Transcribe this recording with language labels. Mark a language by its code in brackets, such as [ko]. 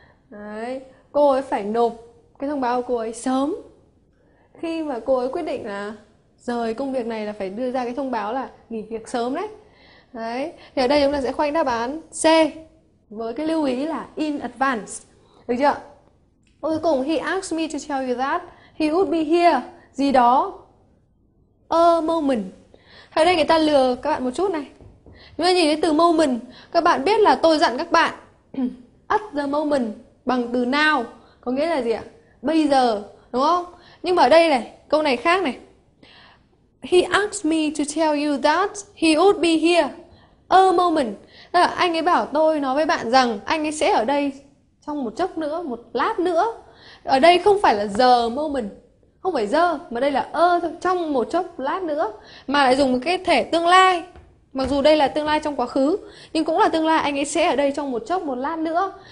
[vi] Đấy, cô ấy phải nộp cái thông báo của cô ấy sớm. Khi mà cô ấy quyết định là rời công việc này là phải đưa ra cái thông báo là nghỉ việc sớm đấy. Đấy, thì ở đây chúng ta sẽ khoanh đáp án C với cái lưu ý là in advance, được chưa? Cuối cùng, [en] he asked me to tell you that he would be here, [vi] gì đó, [en] a moment. [vi] Ở đây người ta lừa các bạn một chút này. Nhưng mà nhìn thấy từ moment, các bạn biết là tôi dặn các bạn at the moment bằng từ now, có nghĩa là gì ạ? Bây giờ, đúng không? Nhưng mà ở đây này, câu này khác này. [en] He asked me to tell you that he would be here a moment. [vi] Tức là anh ấy bảo tôi nói với bạn rằng anh ấy sẽ ở đây trong một chốc nữa, một lát nữa. Ở đây không phải là giờ moment, không phải giờ, mà đây là trong một chốc lát nữa, mà lại dùng một cái thể tương lai. Mặc dù đây là tương lai trong quá khứ nhưng cũng là tương lai, anh ấy sẽ ở đây trong một chốc một lát nữa.